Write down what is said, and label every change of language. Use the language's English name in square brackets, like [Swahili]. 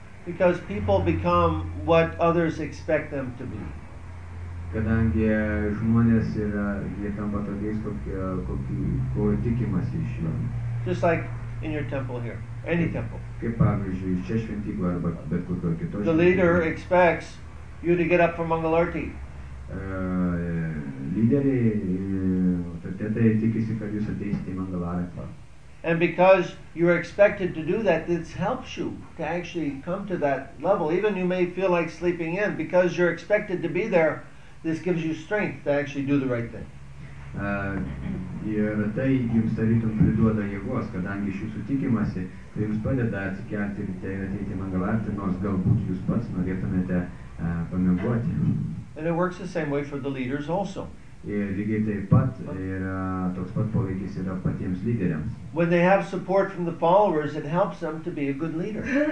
[English] Because people become what others expect them to be. [Lithuanian] Kadangi žmonės yra, jie tampa tokiais, ko tikimasi iš jų. [English] Just like in your temple here, any temple. [Lithuanian] Kaip pavyzdžiui, čia šventykloje arba bet kokio kito. [English] The leader expects you to get up for Mangalarti. [Lithuanian] Lyderiai tikisi, kad jūs ateisite į Mangalarti. [English] And because you're expected to do that, this helps you to actually come to that level. Even you may feel like sleeping in, because you're expected to be there, this gives you strength to actually do the right thing. [Lithuanian] Ir tai jums tarytum priduoda jėgos, kadangi iš jūsų tikimasi, tai jums padeda atsikelti ryte ir ateiti į Mangalartį, nors galbūt jūs pats norėtumėte pamiegoti. [English] And it works the same way for the leaders also. [Lithuanian] Ir lygiai taip pat yra toks pat poveikis yra patiems lyderiams. [English] When they have support from the followers, it helps them to be a good leader.